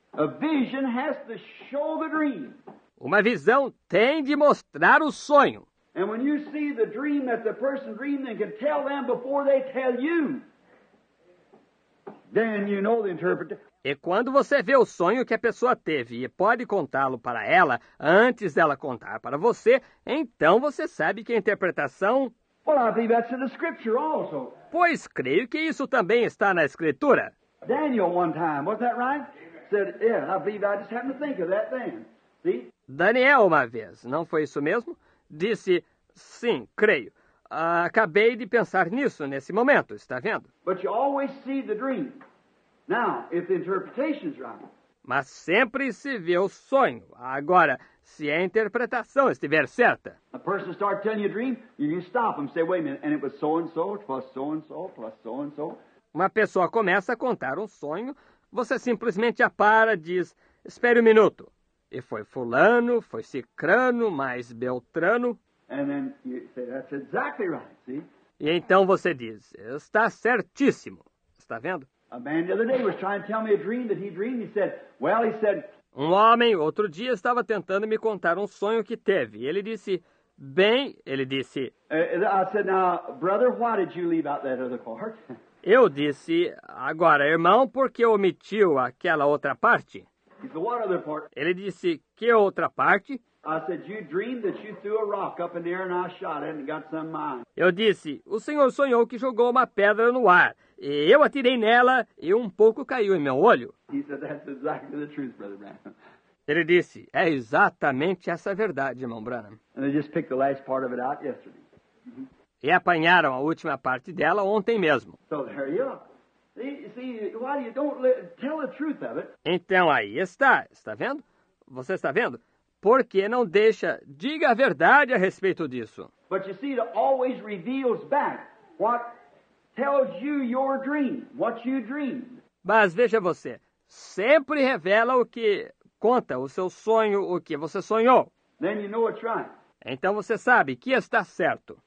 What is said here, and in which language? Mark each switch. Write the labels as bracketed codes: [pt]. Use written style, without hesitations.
[en] A vision has to show the dream. [pt] Uma visão tem de mostrar o sonho. [en] And when you see the dream that the person dreamed, then can tell them before they tell you. Then you know the interpretation. [pt] E quando você vê o sonho que a pessoa teve e pode contá-lo para ela antes dela contar para você, então você sabe que a interpretação... [en] Well, I think that's in the scripture also. [pt] Pois creio que isso também está na escritura. [en] Daniel one time, was that right? Said, yeah, I believe I just happened to think of that then. See? [pt] Daniel uma vez, não foi isso mesmo? Disse, sim, creio. Acabei de pensar nisso nesse momento, está vendo? [en] But you always see the dream. Now, if the interpretation is right. [pt] mas sempre se vê o sonho. Agora, se a interpretação estiver certa. [en] A person start telling you a dream, you can stop them, say, wait a minute, and it was so and so, plus so and so, plus so and so. [pt] Uma pessoa começa a contar um sonho, você simplesmente a para e diz, espere um minuto. E foi fulano, foi cicrano, mais beltrano. [en] And then you say, that's exactly right, see? [pt] E então você diz, está certíssimo, está vendo? [en] A man the other day was trying to tell me a dream that he dreamed, he said, well, he said... [pt] Um homem outro dia estava tentando me contar um sonho que teve. Ele disse, bem, ele disse... [en] I said, now, brother, why did you leave out that other part? [pt] Eu disse, agora, irmão, por que omitiu aquela outra parte? [en] He said, what other part? [pt] Ele disse, que outra parte? [en] I said, you dreamed that you threw a rock up in the air and I shot it and got some mine. [pt] Eu disse, o senhor sonhou que jogou uma pedra no ar. E eu atirei nela e um pouco caiu em meu olho. [en] He said, that's exactly the truth, Brother Branham. [pt] Ele disse, é exatamente essa verdade, irmão Branham. [en] And they just picked the last part of it out yesterday. [pt] E apanharam a última parte dela ontem mesmo. [en] So there you are. See, why you don't tell the truth of it? [pt] Então aí está. Está vendo? Você está vendo? Por que não deixa? Diga a verdade a respeito disso. [en] But you see, it always reveals back what tells you your dream, what you dreamed. [pt] Mas veja você, sempre revela o que conta, o seu sonho, o que você sonhou. [en] Then you know it's right. [pt] Então você sabe que está certo.